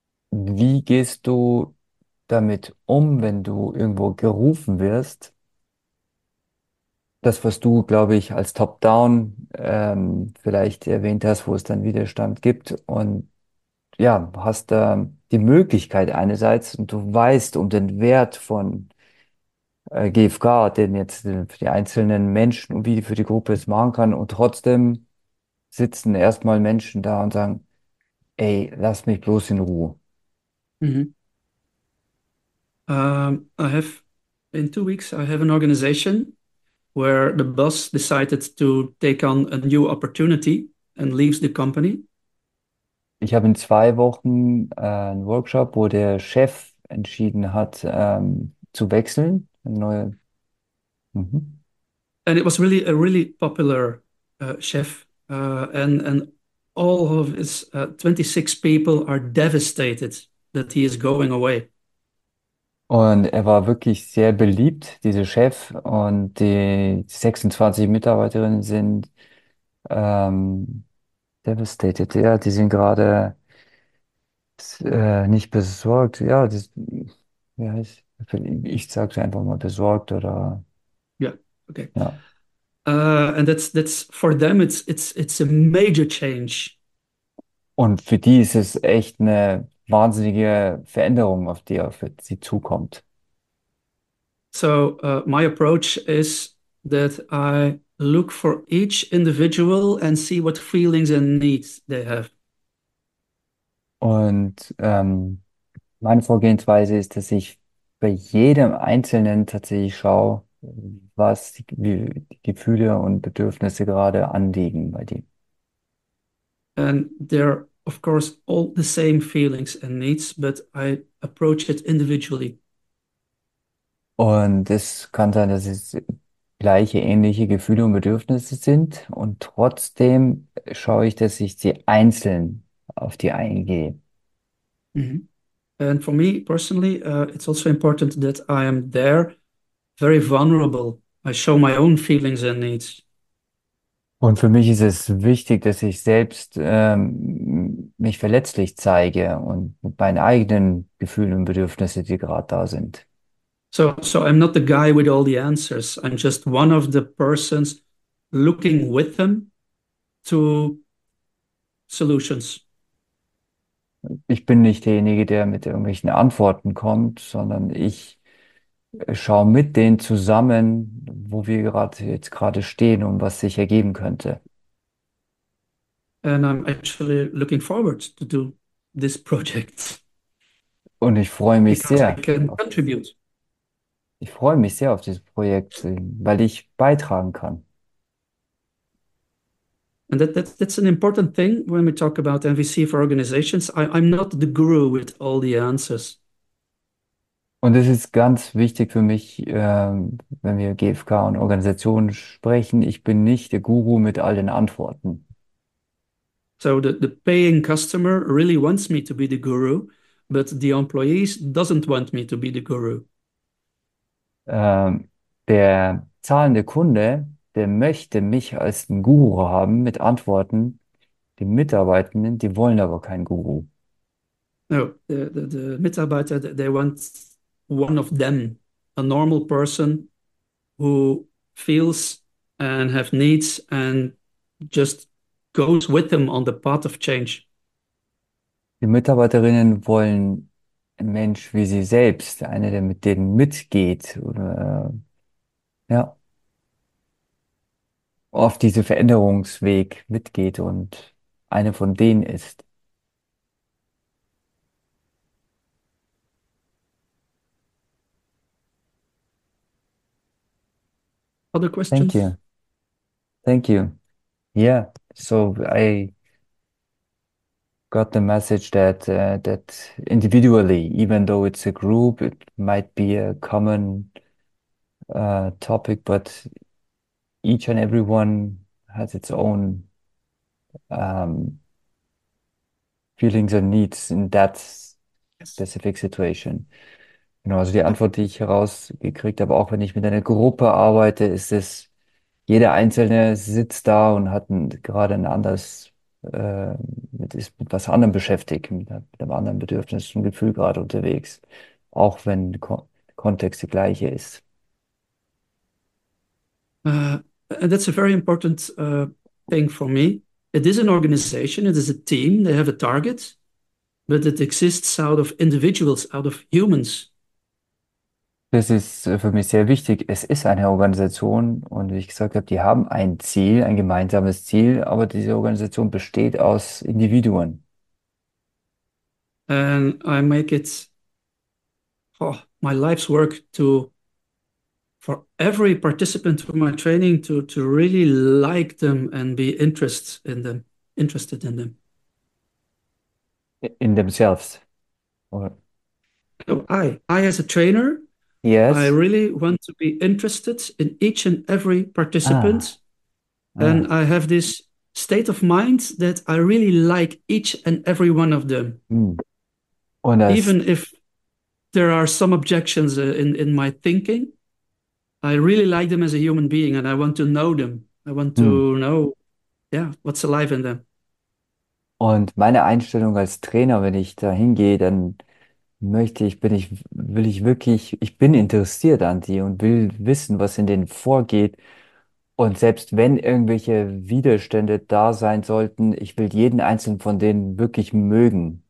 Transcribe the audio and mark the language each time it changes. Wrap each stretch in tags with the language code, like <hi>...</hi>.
<de>Wie gehst du damit um, wenn du irgendwo gerufen wirst, das, was du, glaube ich, als Top-Down vielleicht erwähnt hast, wo es dann Widerstand gibt und ja, hast da die Möglichkeit einerseits und du weißt um den Wert von GfK, den jetzt für die einzelnen Menschen und wie die für die Gruppe es machen kann und trotzdem sitzen erstmal Menschen da und sagen, ey, lass mich bloß in Ruhe.</de> <en>I have in 2 weeks I have an organization where the boss decided to take on a new opportunity and leaves the company.</en> <de>Ich habe in 2 Wochen einen Workshop, wo der Chef entschieden hat, zu wechseln. Eine neue.</de> <en>And it was really a really popular chef and all of his 26 people are devastated. That he is going away.</en> <de>Und er war wirklich sehr beliebt, dieser Chef, und die 26 Mitarbeiterinnen sind devastated, ja, die sind gerade nicht besorgt, ja, ich sage es einfach mal besorgt oder</de> <en>Okay.</en> <de>ja.</de> <en>And that's for them. It's a major change.</en> <de>Und für die ist es echt eine wahnsinnige Veränderung, auf die auf sie zukommt.</de> <en>So, my approach is that I look for each individual and see what feelings and needs they have.</en> <de>Und meine Vorgehensweise ist, dass ich bei jedem Einzelnen tatsächlich schaue, was die Gefühle und Bedürfnisse gerade anliegen bei dir.</de> <en>And there are, of course, all the same feelings and needs, but I approach it individually.</en> <de>Und es kann sein, dass es gleiche, ähnliche Gefühle und Bedürfnisse sind. Und trotzdem schaue ich, dass ich sie einzeln auf die eingehe.</de> <en>And for me personally, it's also important that I am there, very vulnerable. I show my own feelings and needs.</en> <de>Und für mich ist es wichtig, dass ich selbst mich verletzlich zeige und mit meinen eigenen Gefühlen und Bedürfnissen, die gerade da sind.</de> <en>So I'm not the guy with all the answers. I'm just one of the persons looking with them to solutions.</en> <de>Ich bin nicht derjenige, der mit irgendwelchen Antworten kommt, sondern ich schau mit denen zusammen, wo wir gerade jetzt gerade stehen und was sich ergeben könnte.</de> <en>And I'm actually looking forward to do this project</en> <de>Und</de> <en>because I can contribute.</en> <de>ich freue mich sehr auf dieses Projekt, weil ich beitragen kann.</de> <en>And that's an important thing when we talk about MVC for organizations. I'm not the guru with all the answers.</en> <de>Und es ist ganz wichtig für mich, wenn wir GfK und Organisationen sprechen, ich bin nicht der Guru mit all den Antworten.</de> <en>So the paying customer really wants me to be the guru, but the employees doesn't want me to be the guru.</en> <de>Der zahlende Kunde der möchte mich als einen Guru haben mit Antworten. Die Mitarbeitenden, die wollen aber keinen Guru.</de> <en>No, the Mitarbeiter, they want one of them, a normal person who feels and have needs and just goes with them on the path of change.</en> <de>Die Mitarbeiterinnen wollen einen Mensch wie sie selbst, einer, der mit denen mitgeht, oder, ja, auf diesen Veränderungsweg mitgeht und eine von denen ist.</de> <en>Other Thank questions? you. Thank you. Yeah, so I got the message that that individually, even though it's a group, it might be a common topic, but each and everyone has its own feelings and needs in that specific situation.</en> <de>Genau, also die Antwort, die ich herausgekriegt habe, auch wenn ich mit einer Gruppe arbeite, ist es, jeder Einzelne sitzt da und hat gerade ein anderes ist mit was anderem beschäftigt, mit einem anderen Bedürfnis und Gefühl gerade unterwegs, auch wenn Ko Kontext der gleiche ist.</de> <en>And that's a very important thing for me. It is an organization, it is a team, they have a target, but it exists out of individuals, out of humans.</en> <de>Das ist für mich sehr wichtig. Es ist eine Organisation und wie ich gesagt habe, die haben ein Ziel, ein gemeinsames Ziel, aber diese Organisation besteht aus Individuen.</de> <en>And I make it my life's work to. For every participant from my training to really like them and be interested in them. In themselves. Or So I as a trainer, I yes. really want to be interested in each and every Ah. participant. And Ah. I have this state of mind that I really like each and every one of them.</en> <de>Und das.</de> <en>Even if there are some objections in my thinking. I really like them as a human being and I want to know them. I want to know, yeah, what's alive in them.</en> <de>Und meine Einstellung als Trainer, wenn ich da hingehe, dann möchte ich, bin ich, will ich wirklich, ich bin interessiert an die und will wissen, was in denen vorgeht. Und selbst wenn irgendwelche Widerstände da sein sollten, ich will jeden einzelnen von denen wirklich mögen.</de>